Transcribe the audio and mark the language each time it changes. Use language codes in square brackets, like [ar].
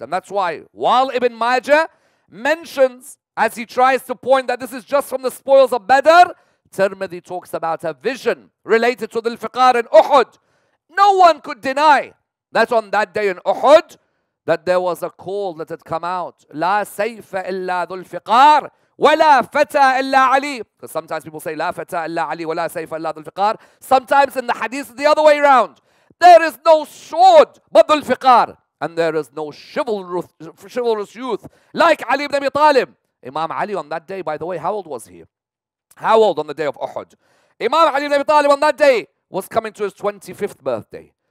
[en] And that's why, while Ibn Majah mentions, as he tries to point that this is just from the spoils of Badr, Tirmidhi talks about a vision related to Zulfiqar in Uhud. No one could deny that on that day in Uhud, that there was a call that had come out. [ar] لا سيف إلا ذلفقار ولا فتى إلا علي. [en] Because sometimes people say [ar] لا فتى إلا علي ولا سيف إلا ذلفقار. [en] Sometimes in the hadith the other way around. There is no sword but ذلفقار. And there is no chivalrous youth like Ali ibn Abi Talib. Imam Ali on that day, by the way, how old was he? How old on the day of Uhud? Imam Ali ibn Abi Talib on that day was coming to his 25th birthday.